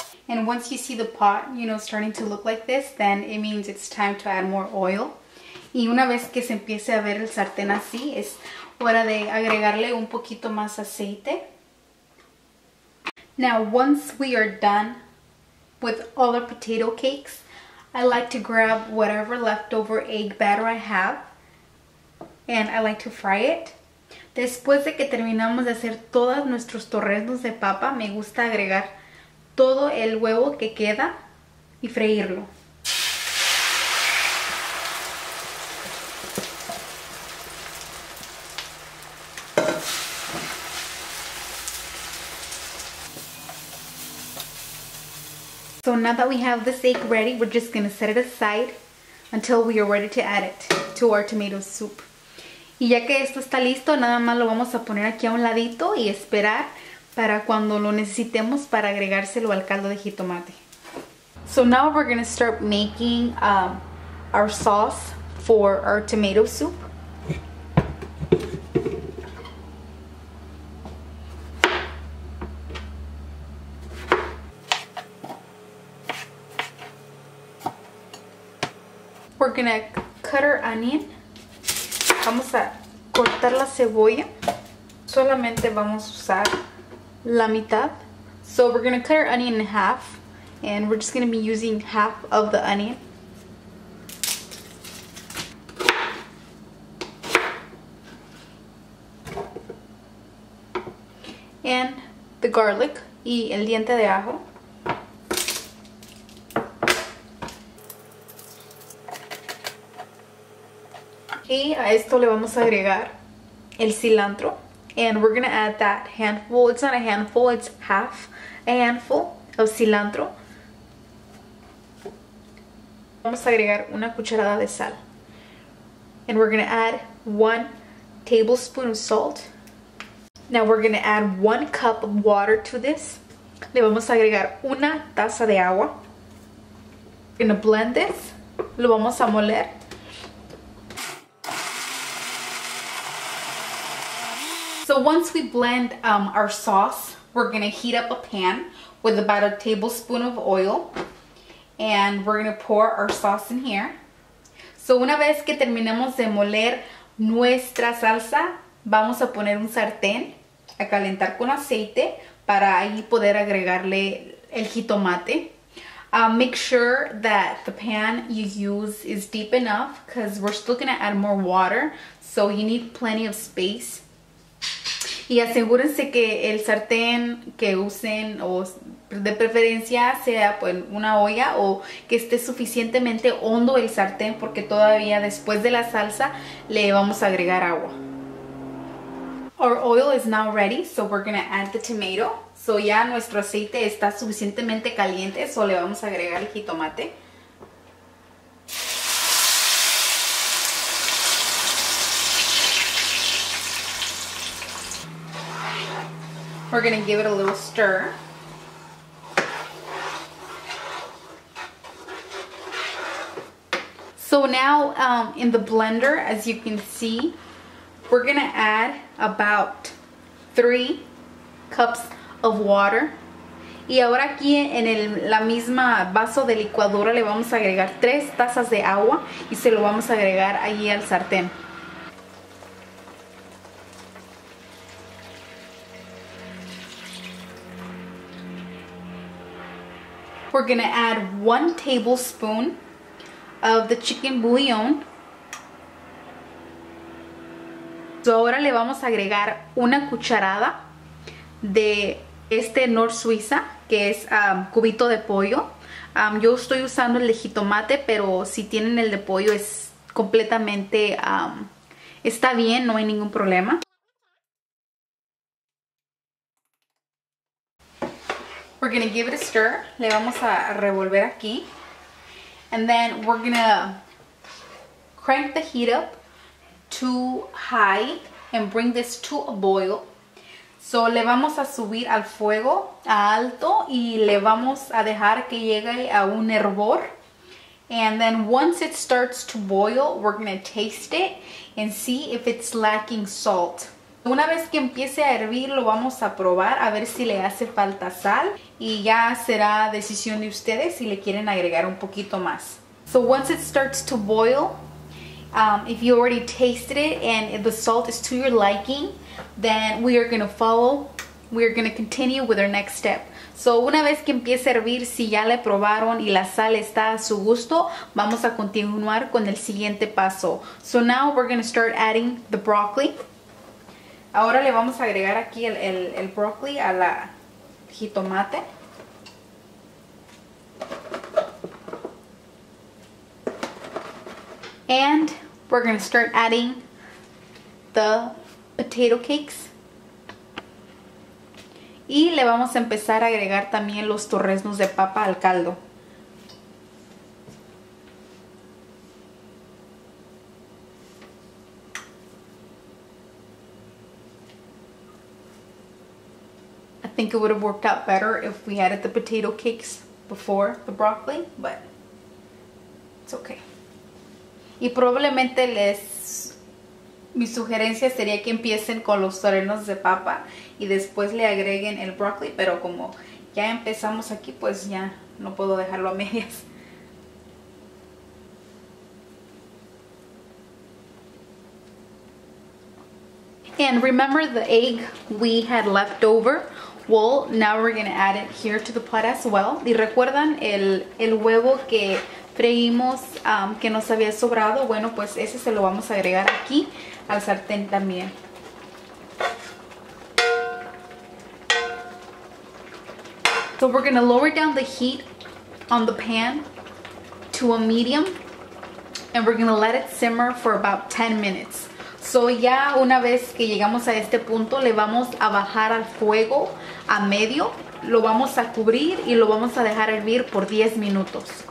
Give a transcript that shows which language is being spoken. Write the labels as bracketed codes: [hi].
[en] And once you see the pot, you know, starting to look like this, then it means it's time to add more oil. [es] Y una vez que se empiece a ver el sartén así, es hora de agregarle un poquito más aceite. [en] Now, once we are done with all our potato cakes, I like to grab whatever leftover egg batter I have and I like to fry it. [es] Después de que terminamos de hacer todos nuestros torreznos de papa, me gusta agregar todo el huevo que queda y freírlo. [en] So now that we have this egg ready, we're just gonna set it aside until we are ready to add it to our tomato soup. [es] Y ya que esto está listo, nada más lo vamos a poner aquí a un ladito y esperar para cuando lo necesitemos para agregárselo al caldo de jitomate. [en] So now we're gonna start making our sauce for our tomato soup. We're gonna cut our onion. [es] Vamos a cortar la cebolla. Solamente vamos a usar la mitad. [en] So we're gonna cut our onion in half and we're just gonna be using half of the onion. And the garlic [es] y el diente de ajo. Y a esto le vamos a agregar el cilantro. [en] And we're gonna add that handful. It's not a handful, it's half a handful of cilantro. [es] Vamos a agregar una cucharada de sal. [en] And we're gonna add 1 tablespoon of salt. Now we're gonna add 1 cup of water to this. [es] Le vamos a agregar una taza de agua. [en] We're gonna blend this. [es] Lo vamos a moler. [en] So once we blend our sauce, we're gonna heat up a pan with about a tablespoon of oil and we're gonna pour our sauce in here. [es] So una vez que terminemos de moler nuestra salsa, vamos a poner un sartén a calentar con aceite para ahí poder agregarle el jitomate. [en] Make sure that the pan you use is deep enough because we're still gonna add more water, so you need plenty of space. [es] Y asegúrense que el sartén que usen, o de preferencia sea pues una olla, o que esté suficientemente hondo el sartén, porque todavía después de la salsa le vamos a agregar agua. [en] Our oil is now ready, so we're gonna add the tomato. [es] So ya nuestro aceite está suficientemente caliente, so le vamos a agregar el jitomate. [en] We're gonna give it a little stir. So now in the blender, as you can see, we're gonna add about 3 cups of water. [es] Y ahora aquí en la misma vaso de licuadora le vamos a agregar 3 tazas de agua y se lo vamos a agregar allí al sartén. [en] We're gonna add 1 tablespoon of the chicken bouillon. [es] So ahora le vamos a agregar una cucharada de este knorr suiza, que es cubito de pollo. Yo estoy usando el de jitomate, pero si tienen el de pollo es completamente, está bien, no hay ningún problema. [en] We're gonna give it a stir. [es] Le vamos a revolver aquí. [en] And then we're gonna crank the heat up to high and bring this to a boil. [es] So le vamos a subir al fuego a alto y le vamos a dejar que llegue a un hervor. [en] And then once it starts to boil, we're gonna taste it and see if it's lacking salt. [es] Una vez que empiece a hervir, lo vamos a probar a ver si le hace falta sal. Y ya será decisión de ustedes si le quieren agregar un poquito más. [en] So once it starts to boil, if you already tasted it and if the salt is to your liking, then we are going to continue with our next step. [es] So una vez que empiece a hervir, si ya le probaron y la sal está a su gusto, vamos a continuar con el siguiente paso. [en] So now we're going to start adding the broccoli. [es] Ahora le vamos a agregar aquí el broccoli a la jitomate. [en] And we're going to start adding the potato cakes. [es] Y le vamos a empezar a agregar también los torreznos de papa al caldo. [en] I think it would have worked out better if we added the potato cakes before the broccoli, but it's okay. [es] Y probablemente mi sugerencia sería que empiecen con los torreznos de papa y después le agreguen el broccoli, pero como ya empezamos aquí, pues ya no puedo dejarlo a medias. [en] And remember the egg we had left over? Well, now we're going to add it here to the pot as well. [es] ¿Y recuerdan el huevo que freímos que nos había sobrado? Bueno, pues ese se lo vamos a agregar aquí al sartén también. [en] So we're going to lower down the heat on the pan to a medium and we're going to let it simmer for about 10 minutes. [es] So ya una vez que llegamos a este punto, le vamos a bajar al fuego a medio, lo vamos a cubrir y lo vamos a dejar hervir por 10 minutos.